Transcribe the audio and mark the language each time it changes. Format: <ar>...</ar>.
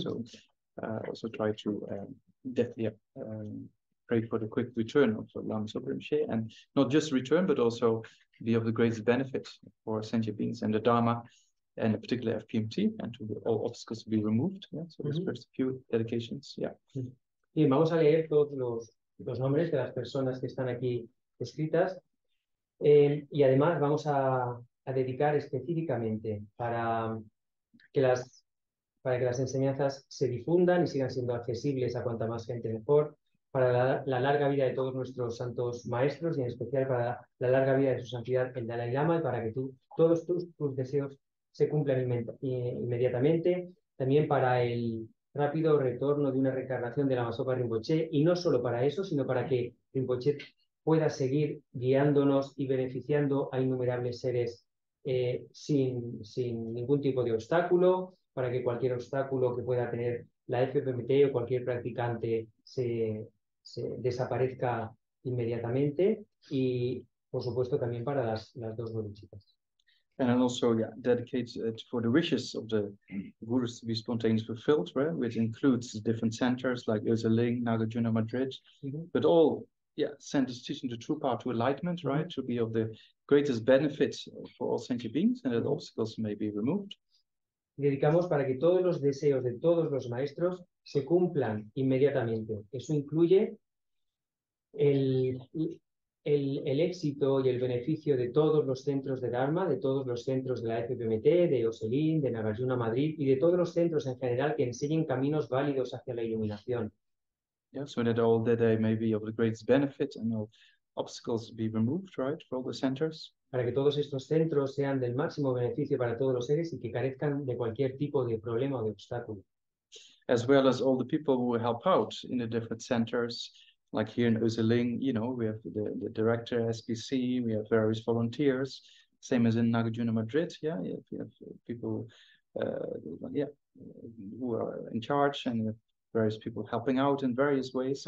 <en>So also try to pray for the quick return of Lama Zopa Rinpoche, and not just return, but also be of the greatest benefit for sentient beings and the Dharma, and particularly FPMT, and to all obstacles to be removed. Yeah, so mm-hmm. there's first a few dedications. Yeah.</en> <es>Bien, vamos a leer todos los nombres de las personas que están aquí escritas, y además vamos a dedicar específicamente para que las enseñanzas se difundan y sigan siendo accesibles a cuanta más gente mejor. Para la larga vida de todos nuestros santos maestros y en especial para la larga vida de su santidad el Dalai Lama y para que todos tus deseos se cumplan inmediatamente. También para el rápido retorno de una reencarnación de Lama Zopa Rinpoche y no solo para eso, sino para que Rinpoche pueda seguir guiándonos y beneficiando a innumerables seres sin ningún tipo de obstáculo, para que cualquier obstáculo que pueda tener la FPMT o cualquier practicante se desaparezca inmediatamente y, por supuesto, también para las dos bodhisattvas.</es> <en>And also, yeah, dedicates for the wishes of the gurus to be spontaneously fulfilled, right? Which includes different centers like Oseling, Nagarjuna, Madrid, mm-hmm. but all, yeah, centers teaching the true path to enlightenment, mm-hmm. right? To be of the greatest benefit for all sentient beings and that obstacles may be removed.</en> <es>Dedicamos para que todos los deseos de todos los maestros se cumplan inmediatamente. Eso incluye el éxito y el beneficio de todos los centros de Dharma, de todos los centros de la FPMT, de Oselín, de Nagarjuna Madrid y de todos los centros en general que enseñen caminos válidos hacia la iluminación.</es> <en>Yeah, so that all that they may be of the greatest benefit and all obstacles be removed, right, for all the centers.</en> <es>Para que todos estos centros sean del máximo beneficio para todos los seres y que carezcan de cualquier tipo de problema o de obstáculo.</es> <en>As well as all the people who help out in the different centers, like here in Oseling, you know, we have the director, SPC, we have various volunteers, same as in Nagarjuna Madrid, yeah, we have people who are in charge and various people helping out in various ways.</en>